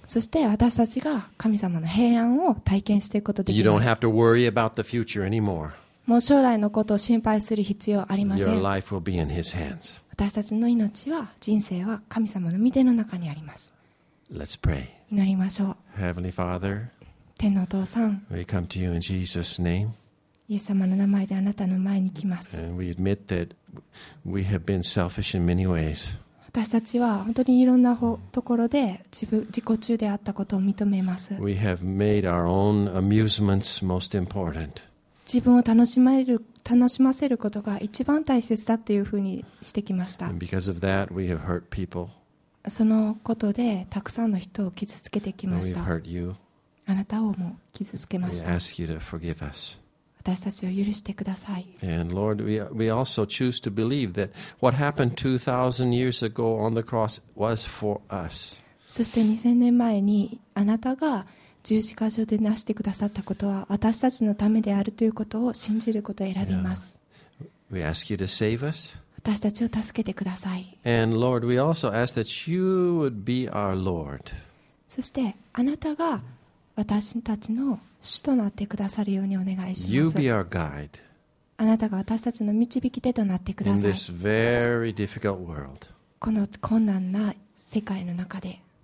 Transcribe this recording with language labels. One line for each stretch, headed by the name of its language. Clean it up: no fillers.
Japanese: そして私たちが神様の平安を体験していくことができます。
English: You don't have to worry about the future anymore.
Japanese: もう将来のことを心配する必要ありません。
English: Your life will be in his hands.
Japanese: 私たちの命は、人生は神様の御手の中にあります。
English: Let's pray.
Japanese: 祈りましょう。
English: Heavenly Father,
Japanese: 天のお父さん、
English: we come to you in Jesus' name.
Japanese: イエス様の名前であなたの前に来ます。
English: And we admit that we have been selfish in many ways.
Japanese: 私たちは本当にいろんなところで自己中であったことを認めます。
English: We have made our own amusements most important.
Japanese: 自分を楽しませることが一番大切だというふうにしてきました。
English: Because of that, we have hurt people.
Japanese: そのことでたくさんの人を傷つけてきました。
English: We've hurt you.
Japanese: あなたをも傷つけました。
English: We ask you to forgive us.
Japanese: 私たちを許してください。
English: And Lord, we also choose to believe that what happened 2,000 years ago on the cross was for us.
Japanese: そして2000年前にあなたが十字架上でなしてくださったことは私たちのためであるということを信じることを選びます。
English: We ask you to save us.
Japanese: 私たちを助けてください。
English: And Lord, we also ask that you would be our Lord.
Japanese: そしてあなたが私たちの主となってくださるようにお願いします。
English: You be our guide.
Japanese: あなたが私たちの導き手となってください。
English: In this very difficult world.
Japanese: この困難な世界の中で。